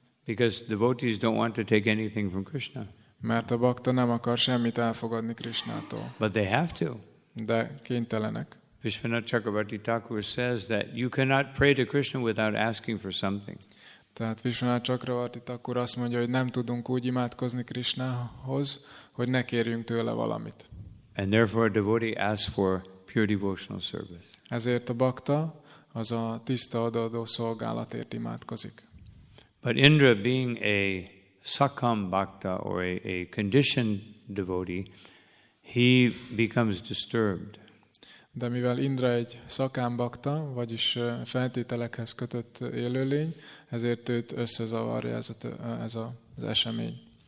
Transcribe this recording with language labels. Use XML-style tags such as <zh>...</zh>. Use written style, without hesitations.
<en>Because devotees don't want to take anything from Krishna.</en> <hu>Mert a bakta nem akar semmit elfogadni Krishnától.</hu> <en>But they have to.</en> <hu>De kénytelenek.</hu> <en>Vishvanatha Chakravarti Thakur says that you cannot pray to Krishna without asking for something.</en> <hu>Tehát Vishvanatha Chakravarti Thakur azt mondja, hogy nem tudunk úgy imádkozni Krishnához, hogy ne kérjünk tőle valamit.</hu> <en>And therefore a devotee asks for pure devotional service.</en> <hu>Ezért a bakta az a tiszta odaadó szolgálatért imádkozik.</hu> <en>But Indra, being a Sakam Bhakta, or a conditioned devotee, he becomes disturbed.</en> <hu>De mivel Indra egy Sakam Bhakta, vagyis feltételekhez kötött élőlény, ezért őt összezavarja ez az esemény.</hu>